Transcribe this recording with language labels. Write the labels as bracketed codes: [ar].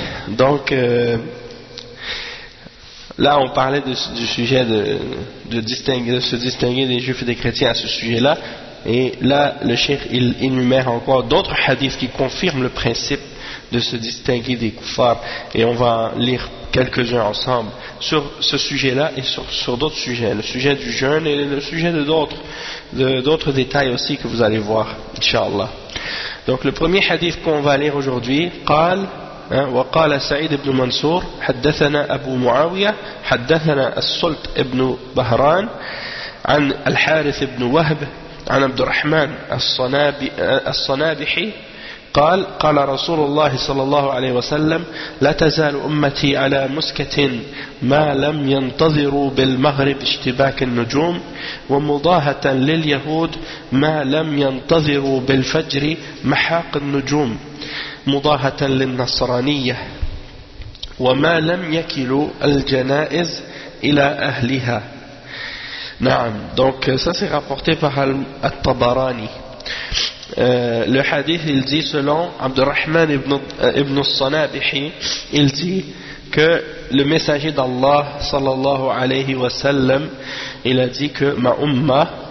[fr] Donc là on parlait du sujet de se distinguer des juifs et des chrétiens à ce sujet-là, et là le cheikh il énumère encore d'autres hadiths qui confirment le principe de se distinguer des koufars, et on va lire quelques-uns ensemble sur ce sujet-là et sur d'autres sujets, le sujet du jeûne et le sujet d'autres détails aussi que vous allez voir, inshallah. Donc le premier hadith qu'on va lire aujourd'hui, [ar] قال وقال سعيد بن منصور حدثنا أبو معاوية حدثنا السلط بن بهران عن الحارث بن وهب عن عبد الرحمن الصنابحي قال قال رسول الله صلى الله عليه وسلم لا تزال أمتي على مسكة ما لم ينتظروا بالمغرب اشتباك النجوم ومضاهة لليهود ما لم ينتظروا بالفجر محاق النجوم مضاهة للنصرانية وما لم يكلوا الجنائز إلى أهلها نعم. [fr] Donc ça c'est rapporté par al-Tabarani. Le hadith, il dit, selon Abdurrahman ibn al-Sanabihi, il dit que le messager d'Allah sallallahu alayhi wa sallam, il a dit que ma umma